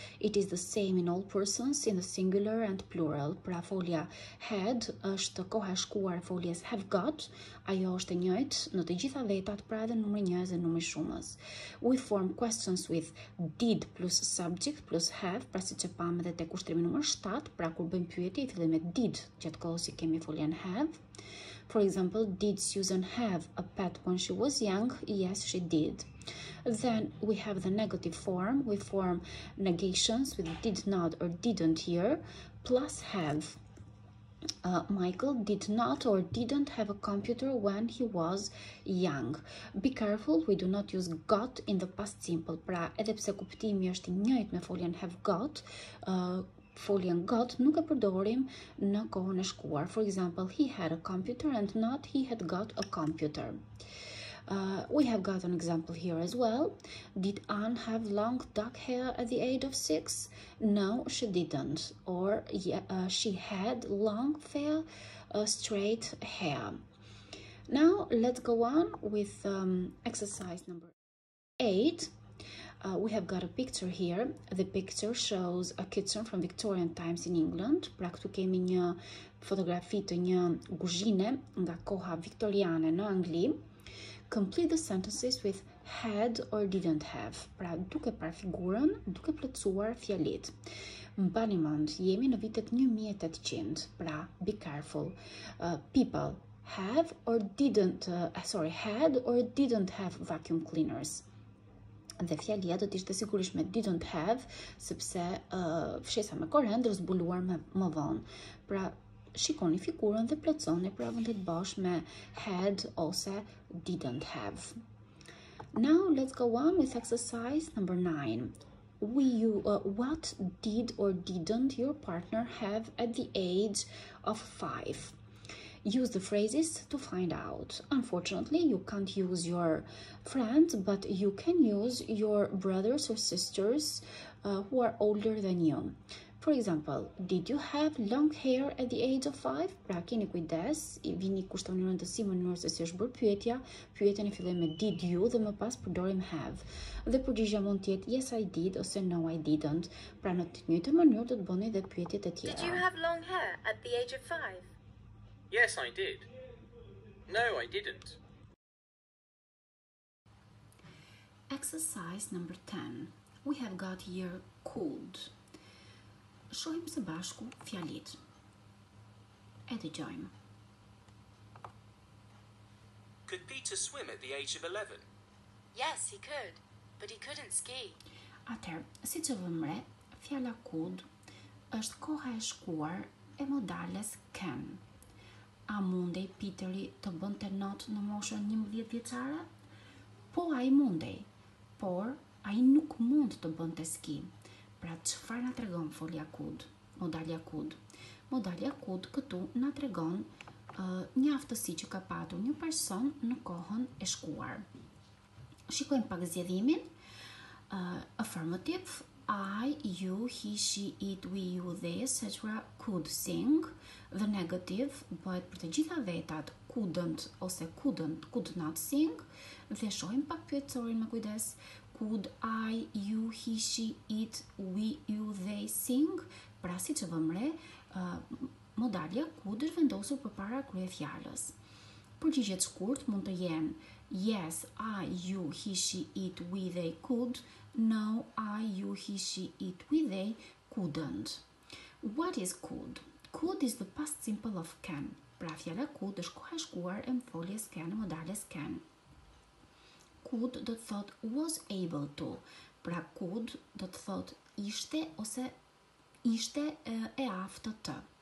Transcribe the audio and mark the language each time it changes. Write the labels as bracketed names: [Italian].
[English] It is the same in all persons in the singular and plural. [Albanian] Pra folja had është koha e shkuar e foljes have got. Ajo është e njëjtë në të gjitha vetat, pra edhe numri njëjës dhe numri shumës. [English] We form questions with did plus subject plus have, [Albanian] pra si që pamë edhe tek ushtrimi numër 7, pra kur bëjmë pyetje i fillim me did, gjatë kohës si kemi foljen have. [English] For example, did Susan have a pet when she was young? Yes, she did. Then we have the negative form. We form negations with did not or didn't here, plus have. Michael did not or didn't have a computer when he was young. Be careful, we do not use got in the past simple. [Albanian] Pra, edhe pse kuptimi është i njëjtë me foljen have got, foljen got nuk e përdorim në kohën e shkuar. [English] For example, he had a computer and not he had got a computer. We have got an example here as well. Did Anne have long dark hair at the age of 6? No, she didn't. Or she had long fair straight hair. Now let's go on with exercise number 8. We have got a picture here. The picture shows a kitchen from Victorian times in England. [Albanian] Pra këtu kemi një fotografi të një kuzhine nga koha viktoriane në Angli. [English] Complete the sentences with had or didn't have. [Albanian] Pra duke parë figurën, duke plotësuar fjalitë. Mbani mend, jemi në vitet 1800. [English] Pra be careful. People have or didn't had or didn't have vacuum cleaners. [Albanian] Dhe fjalia do të ishte sigurisht me didn't have, sepse fshesa me korendër u zbuluar më vonë. Pra shikoni figurën dhe plotësoni provën tek bash me had ose didn't have. [English] Now let's go on with exercise number 9. What did or didn't your partner have at the age of 5? Use the phrases to find out. Unfortunately, you can't use your friends, but you can use your brothers or sisters who are older than you. For example, did you have long hair at the age of 5? [Albanian] Pra keni kujdes, i vini kushtoni rëndësi mënyrës se si është bërë pyetja. Pyetjen e fillon me did you dhe më pas përdorim have. Dhe përgjigja mund të jetë [English] yes I did [Albanian] ose [English] no I didn't. [Albanian] Pra në të njëjtën mënyrë do të bëni edhe pyetjet e tjera. [English] Did you have long hair at the age of 5? Yes, I did. No, I didn't. Exercise number 10. We have got here cold. [Albanian] Shohim së bashku fjalit. E dëgjojmë. [English] Could Peter swim at the age of 11? Yes, he could, but he couldn't ski. [Albanian] Atëherë, si që vëmë re, fjala cold është koha e shkuar e modales can. A mundej Peteri të bënte të notë në moshën 11 vjeçare? Po, ai mundej, por ai nuk mund të bënte të ski. Pra, çfarë na tregon folja could, modalja could? Modalja could këtu na tregon një aftësi që ka patur një person në kohën e shkuar. Shikojmë pak zgjedhimin. [English] Affirmative, I, you, he, she, it, we, you, they, etc. could sing. The negative [Albanian] bëhet për të gjitha vetat [English] couldn't ose couldn't, could not sing. [Albanian] Dhe shohim pak pyetësorin me kujdes. [English] Could I, you, he, she, it, we, you, they sing? [Albanian] Pra si që vëmë re, modalja could është vendosur përpara kryefjalës. Përgjigjet shkurt mund të jenë [English] yes, I, you, he, she, it, we, they could. No, I, you, he, she, it, we, they couldn't. What is could? Could is the past simple of can. [Albanian] Pra fjala could është koha e shkuar e foljes can, modales can. Could do të thot was able to. Pra could do të thot ishte ose ishte e aftë të.